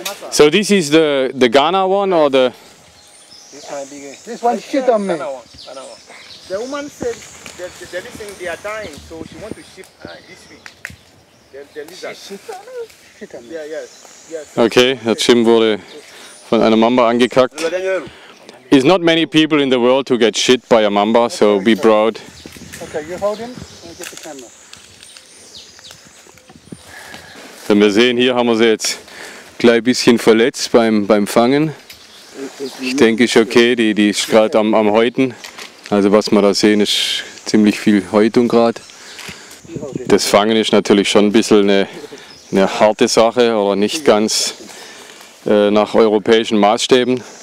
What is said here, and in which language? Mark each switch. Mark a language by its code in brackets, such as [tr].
[en] So this is the Ghana one or the... This one shit on me. The woman said that the lizards, they are dying, so she wants to ship this thing. The lizards. Shit on me. Yeah. [de] Okay, der Jim wurde von einer Mamba angekackt. [en] It's not many people in the world who get shit by a Mamba, so be proud. Okay, you hold him and get the camera. [de] Wenn wir sehen, hier haben wir sie jetzt gleich ein bisschen verletzt beim Fangen. Ich denke, ist okay, die ist gerade am Häuten. Also was wir da sehen, ist ziemlich viel Häutung gerade. Das Fangen ist natürlich schon ein bisschen eine harte Sache oder nicht ganz nach europäischen Maßstäben.